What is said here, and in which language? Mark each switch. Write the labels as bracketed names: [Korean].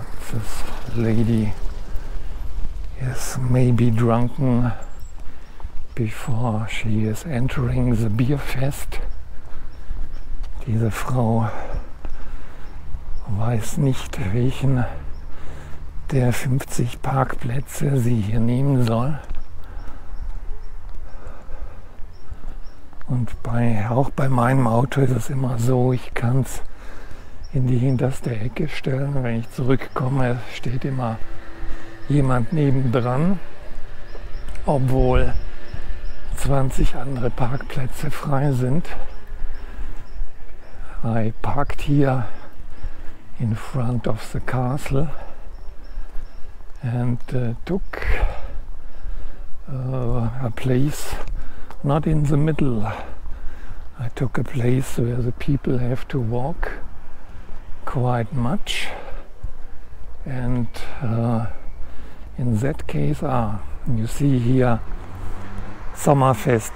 [English] This lady is maybe drunken before she is entering the beer fest. [German] Diese Frau weiß nicht, welchen der 50 Parkplätze sie hier nehmen soll. Und auch bei meinem Auto ist es immer so, ich kann es in die hinterste Ecke stellen. Wenn ich zurückkomme, steht immer jemand nebendran, obwohl 20 andere Parkplätze frei sind. [English] I parked here in front of the castle and took a place not in the middle. I took a place where the people have to walk quite much, and in that case you see here Sommerfest.